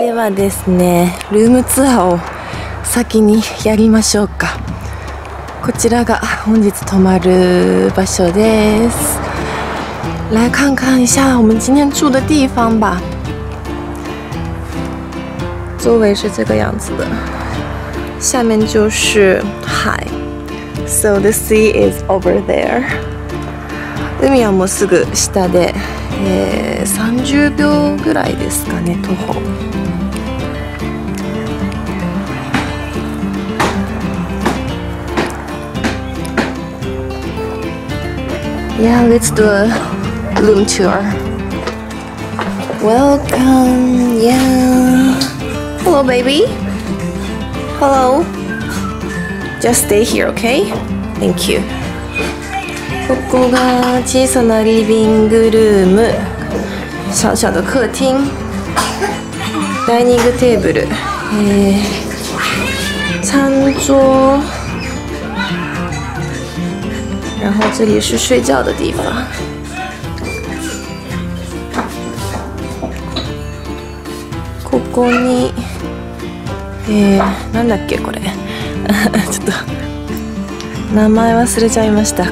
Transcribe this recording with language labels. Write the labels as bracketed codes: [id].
[ja] ではですねルームツアーを先にやりましょうか。こちらが本日泊まる場所です。 [zh] 来看看一下我们今天住的地方吧。周围是这个样子的，下面就是海。 [en] So the sea is over there. [ja] 海はもうすぐ下で、30秒ぐらいですかね、徒歩。 [en] Yeah, let's do a room tour. Welcome, yeah. Hello, baby. Hello. Just stay here, okay? Thank you. [ja] ここが小さなリビングルーム。 [zh] 小小的客厅。 [ja] ダイニングテーブル。 [zh] 餐桌。然后这里是睡觉的地方。 [ja] ここに、なんだっけこれ。ちょっと名前忘れちゃいました。